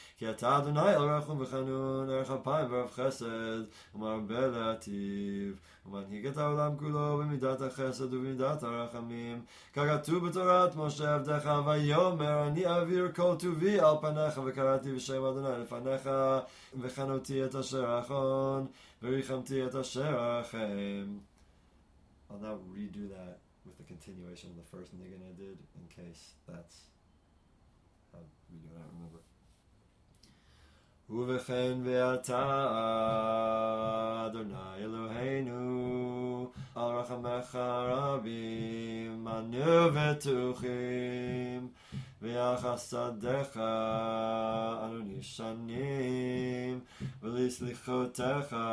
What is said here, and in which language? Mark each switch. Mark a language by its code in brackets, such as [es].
[he] כי אתה אדוני אל רחום וחנון ערך אפיים ורב חסד ומרבה להטיב ומנהיג את העולם כולו במידת החסד ובמידת הרחמים כגתוב בתורת משה עבדך ויאמר אני אעביר כל טובי על פניך וקראתי בשם אדוני לפניך וחנותי את אשר אחון וריחמתי את אשר אחם. [en] I'll now redo that with the continuation of the first niggun I did, in case that's how we do it, I don't remember. [he] Uvechen ve'ata Adonai Eloheinu Al rachamecha rabim anu v'tuchim ויחס צדך אנו נשענים ולסליחותך